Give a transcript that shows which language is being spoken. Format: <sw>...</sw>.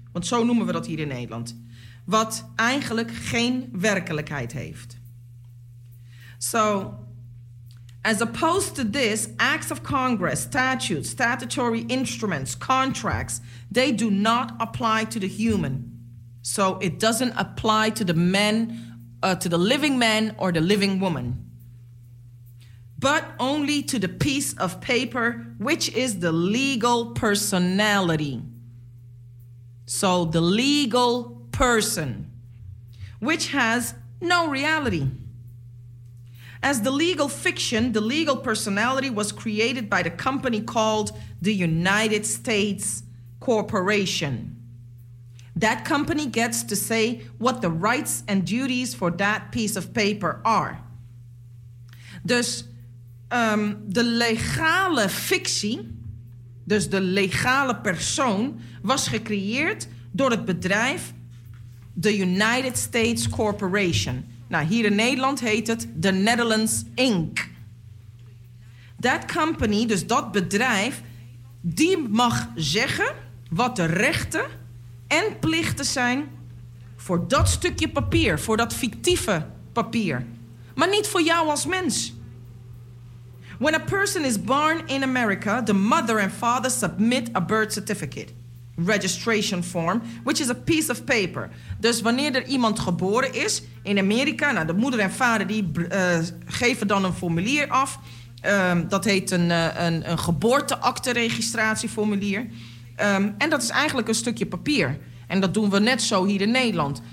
<nl>Want zo noemen we dat hier in Nederland. Wat eigenlijk geen werkelijkheid heeft.</nl> <en>So, as opposed to this, acts of Congress, statutes, statutory instruments, contracts, they do not apply to the human. So it doesn't apply to the man, to the living man or the living woman. But only to the piece of paper, which is the legal personality. So the legal person, which has no reality. As the legal fiction, the legal personality was created by the company called the United States Corporation. That company gets to say what the rights and duties for that piece of paper are.</en> <nl>Dus de legale fictie, dus de legale persoon, was gecreëerd door het bedrijf The United States Corporation. Nou, hier in Nederland heet het The Netherlands Inc.</nl> <en>That company,</en> <nl>dus dat bedrijf, die mag zeggen wat de rechten en plichten zijn voor dat stukje papier, voor dat fictieve papier. Maar niet voor jou als mens.</nl> <en>When a person is born in America, the mother and father submit a birth certificate, registration form, which is a piece of paper.</en> <nl>Dus wanneer er iemand geboren is in Amerika, nou, de moeder en vader die geven dan een formulier af. Dat heet een geboorteakte-registratieformulier. En dat is eigenlijk een stukje papier. En dat doen we net zo hier in Nederland.</nl>